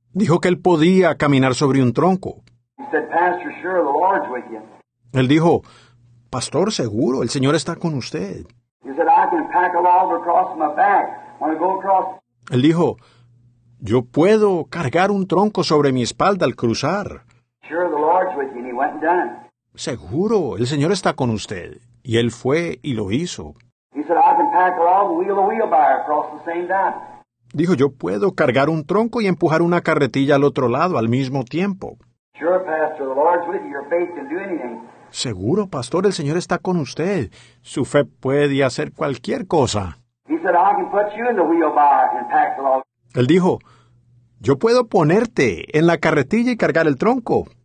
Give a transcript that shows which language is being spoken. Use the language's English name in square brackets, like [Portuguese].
[Spanish] Dijo que él podía caminar sobre un tronco. [English] He said, Pastor, sure, the Lord's with you. [Spanish] Él dijo, Pastor, seguro, el Señor está con usted. [English] He said, I can pack a log across my back. Want to go across? [Spanish] Él dijo, yo puedo cargar un tronco sobre mi espalda al cruzar. [English] Sure, the Lord's with you, and he went and done. [Spanish] Seguro, el Señor está con usted. Y él fue y lo hizo. [English] He said, I can pack a log wheel to wheelbarrow across the same time. [Spanish] Dijo, yo puedo cargar un tronco y empujar una carretilla al otro lado al mismo tiempo. [English] Sure, Pastor, the Lord's with you. Your faith can do anything. [Spanish] Seguro, Pastor, el Señor está con usted. Su fe puede hacer cualquier cosa. [English] He said, I can put you in the wheelbarrow and pack the log. [Spanish] Él dijo, yo puedo ponerte en la carretilla y cargar el tronco.